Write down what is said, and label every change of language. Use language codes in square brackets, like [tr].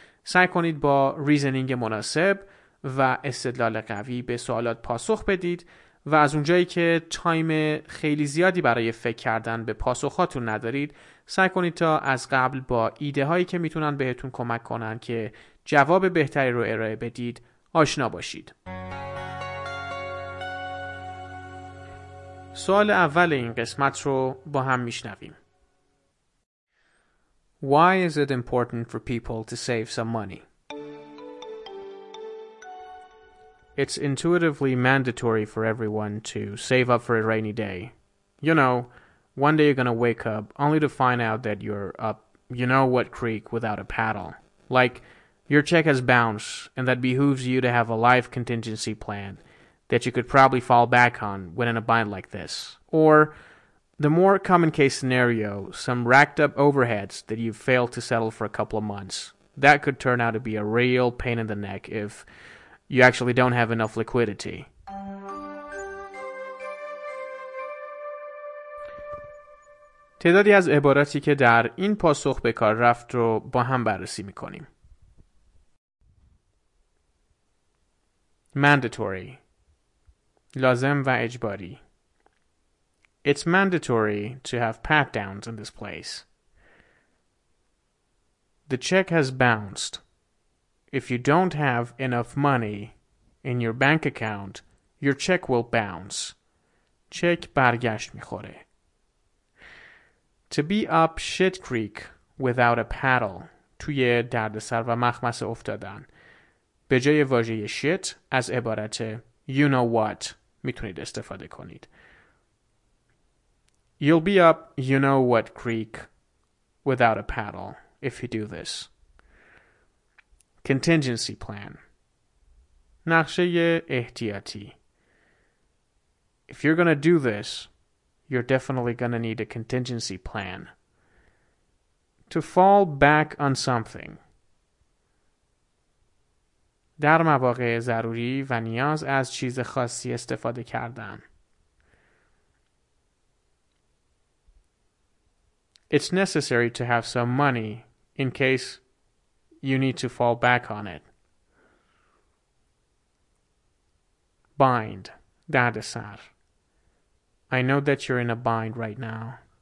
[fa] سعی کنید با ریزنینگ مناسب و استدلال قوی به سوالات پاسخ بدید و از اونجایی که تایم خیلی زیادی برای فکر کردن به پاسخاتون ندارید، سعی کنید تا از قبل با ایده هایی که میتونن بهتون کمک کنن که جواب بهتری رو ارائه بدید آشنا باشید. سوال اول این قسمت رو با هم میشنویم. [en] Why is it important for people to save some money? It's intuitively mandatory for everyone to save up for a rainy day. You know, one day you're gonna wake up only to find out that you're up you know what creek without a paddle. Like, your check has bounced and that behooves you to have a life contingency plan that you could probably fall back on when in a bind like this. Or, the more common case scenario, some racked up overheads that you've failed to settle for a couple of months. That could turn out to be a real pain in the neck if you actually don't have enough liquidity. [fa] تعدادی از عباراتی که در این پاسخ به کار رفت رو با هم بررسی میکنیم. Mandatory. لازم و اجباری. [en] It's mandatory to have pat-downs in this place. The check has bounced. If you don't have enough money in your bank account, your check will bounce. Check [fa] برگشت میخوره. [en] To be up shit creek without a paddle, [fa] توی دردسر و مخمصه افتادن. به جای واژه shit از عبارت [en] you know what [fa] میتونید استفاده کنید. [en] You'll be up you know what creek without a paddle if you do this. [fa] Contingency plan. نقشه احتیاطی. [en] If you're gonna do this, you're definitely gonna need a contingency plan. To fall back on something. [fa] در مواقع ضروری و نیاز از چیز خاصی استفاده کردن. [en] It's necessary to have some money in case you need to fall back on it. [fa] Bind. دردسر. [en] I know that you're in a bind right now.